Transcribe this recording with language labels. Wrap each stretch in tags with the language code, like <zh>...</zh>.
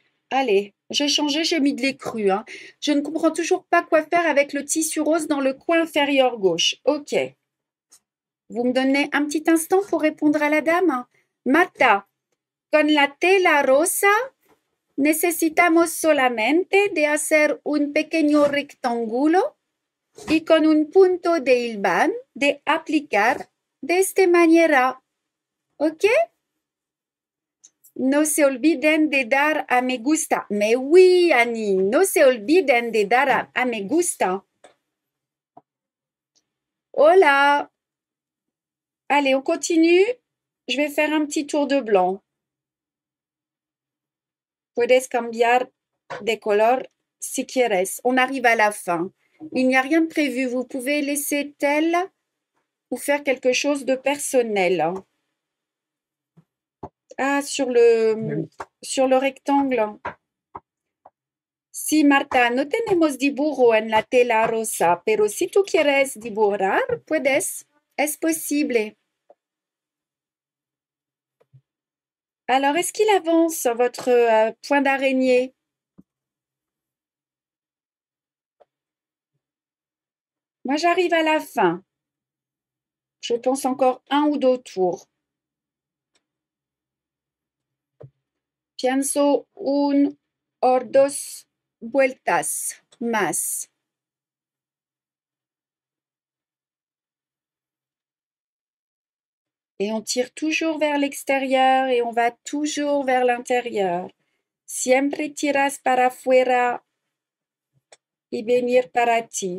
<fr>Allez, j'ai changé, j'ai mis de l'écru. Hein. Je ne comprends toujours pas quoi faire avec le tissu rose dans le coin inférieur gauche. OK. Vous me donnez un petit instant pour répondre à la dame.</fr> <es>Marta, con la tela rosa, necesitamos solamente de hacer un pequeño rectángulo. Y con un punto de hilvan de aplicar de esta manera. ¿Ok? No se olviden de dar a me gusta.</es> <fr>Mais oui,</fr> <es>Annie, no se olviden de dar a me gusta.</es> <fr>Hola. Allez, on continue. Je vais faire un petit tour de blanc.</fr> <es>Puedes cambiar de color si quieres.</es> <fr>On arrive à la fin. Il n'y a rien de prévu. Vous pouvez laisser tel ou faire quelque chose de personnel. Ah, sur le rectangle.</fr> <es>Si, Marta, no tenemos dibujo en la tela rosa, pero si tú quieres dibujar, puedes. Es posible.</es> <fr>Alors, est-ce qu'il avance votre point d'araignée? Moi, j'arrive à la fin. Je pense encore un ou deux tours.</fr> <es>Pienso un o dos vueltas más.</es> <fr>Et on tire toujours vers l'extérieur et on va toujours vers l'intérieur.</fr> <es>Siempre tiras para afuera y venir para ti.</es>